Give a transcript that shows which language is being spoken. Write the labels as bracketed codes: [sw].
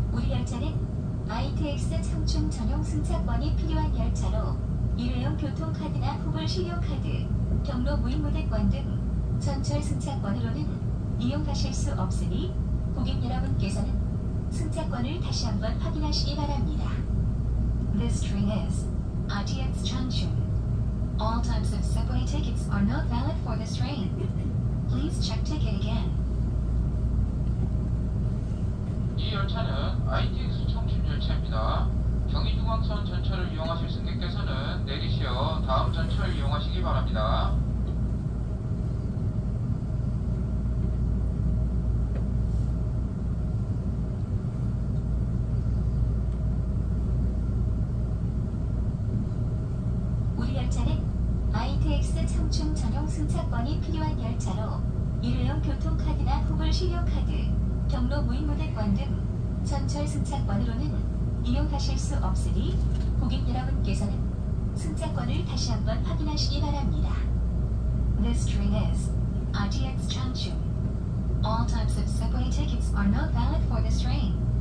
[ko] ITX 청춘 전용 승차권이 필요한 열차로 일회용 교통카드나 후불 신용카드, 경로 무인무대권 등 전철 승차권으로는 이용하실 수 없으니 고객 여러분께서는 승차권을 다시 한번 확인하시기 바랍니다. [en] This train is ITX 청춘. All types of subway tickets are not valid for this train. Please check ticket again. [ko] 이 열차는 ITX 청춘 열차입니다. 경의중앙선 전철을 이용하실 승객께서는 내리시어 다음 전철 이용하시기 바랍니다. 우리 열차는 ITX 청춘 전용 승차권이 필요한 열차로 일회용 교통카드나 후불 신용카드 경로 무인무대권 등 전철 승차권으로는 이용하실 수 없으니 고객 여러분께서는 승차권을 다시 한번 확인하시기 바랍니다. [en] This train is ITX 청춘. All types of subway tickets are not valid for this train.